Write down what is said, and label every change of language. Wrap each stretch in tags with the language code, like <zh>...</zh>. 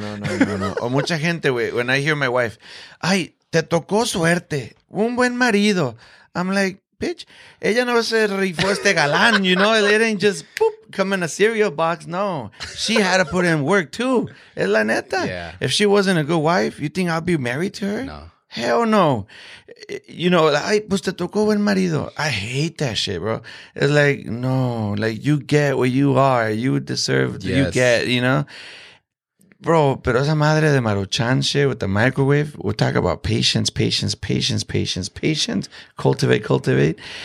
<es>No. O mucha gente, when I hear my wife, ay, te tocó suerte, un buen marido. I'm like, bitch, ella no se rifó este galán, you know?</es> <en>It didn't just, boop, come in a cereal box. No, she had to put in work too.</en> <es>Es la neta.</es> <en>Yeah. If she wasn't a good wife, you think I'd be married to her? No. Hell no.</en> <es>You know, ay, pues te tocó buen marido.</es> <en>I hate that shit, bro. It's like, no, like you get what you are. You deserve what you get, you know? Bro, pero esa madre de Maruchan shit with the microwave, we'll talk about patience, patience, patience, patience, patience, cultivate, cultivate.</en>